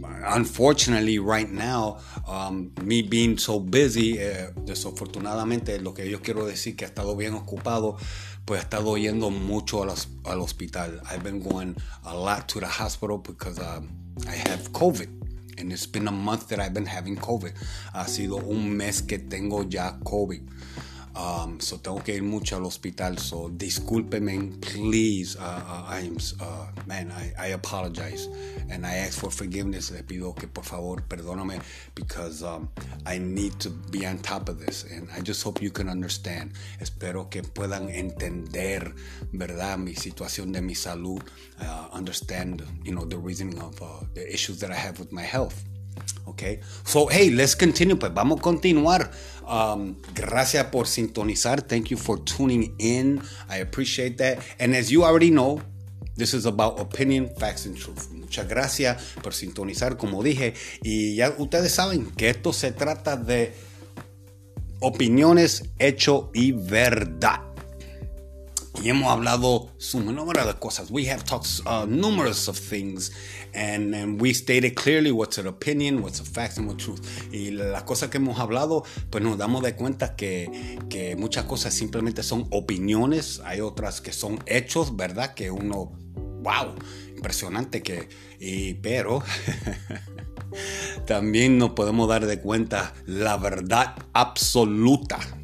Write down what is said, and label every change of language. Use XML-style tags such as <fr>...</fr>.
<en>Unfortunately, right now, me being so busy,</en> <es>desafortunadamente, lo que yo quiero decir que ha estado bien ocupado, pues ha estado yendo mucho al hospital.</es> <en>I've been going a lot to the hospital because I have COVID. And it's been a month that I've been having COVID.</en> <es>Ha sido un mes que tengo ya COVID. So tengo que ir mucho al hospital. So discúlpeme, please.</es> <en>I apologize. And I ask for forgiveness.</en> <es>Le pido que por favor perdóname</es> <en>because I need to be on top of this. And I just hope you can understand.</en> <es>Espero que puedan entender, ¿verdad? Mi situación de mi salud.</es> <en>Understand, you know, the reasoning of the issues that I have with my health. Okay, so hey, let's continue.</en> <es>Pues vamos a continuar. Gracias por sintonizar.</es> <en>Thank you for tuning in. I appreciate that. And as you already know, this is about opinion, facts, and truth.</en> <es>Muchas gracias por sintonizar, como dije. Y ya ustedes saben que esto se trata de opiniones, hecho y verdad. Y hemos hablado suma número de cosas.</es> <en>We have talked numerous of things. And we stated clearly what's an opinion, what's a fact, and what's truth.</en> <es>Y las cosas que hemos hablado, pues nos damos de cuenta que muchas cosas simplemente son opiniones. Hay otras que son hechos, ¿verdad? Que uno, wow, impresionante que... Pero también nos podemos dar de cuenta la verdad absoluta.</es>